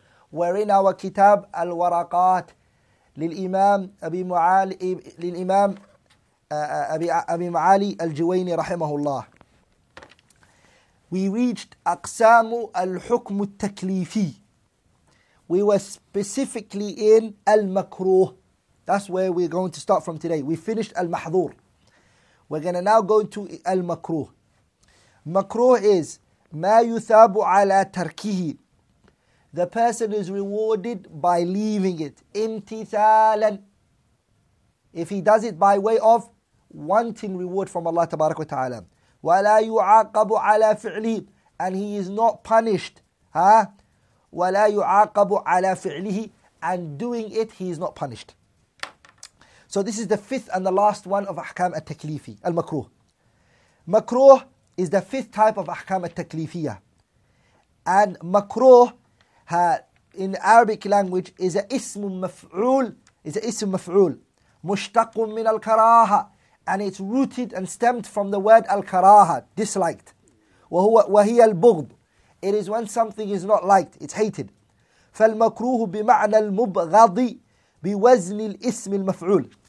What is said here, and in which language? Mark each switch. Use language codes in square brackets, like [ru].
[en] We're in our kitab al-Waraqat [ar] للإمام أبي معالي للإمام أبي معالي الجويني رحمه الله. [en] We reached [ar] أقسام الحكم التكليفي. [en] We were specifically in al-Makruh. That's where we're going to start from today. We finished al-Mahdhur. We're going to now go to al-Makruh. Makruh is [ar] ما يثاب على تركه. [en] The person is rewarded by leaving it. Imtithalan. If he does it by way of wanting reward from Allah tabarak wa ta'ala. [ar] وَلَا يُعَاقَبُ عَلَى فِعْلِهِ. [en] And he is not punished. Huh? [ar] وَلَا يُعَاقَبُ عَلَى فِعْلِهِ. [en] And doing it, he is not punished. So this is the fifth and the last one of Ahkam al-Taklifi. Al-Makruh. Makruh is the fifth type of Ahkam al-Taklifiya. And Makruh, in Arabic language, is a ism maf'ul, is a ism maf'ul, mushtaqun min al-karaha, and it's rooted and stemmed from the word al-karaha, disliked. [ar] وهي البغض. [en] It is when something is not liked, it's hated. [ar] فالمكروه بمعنى المبغض بوزن الاسم المفعول.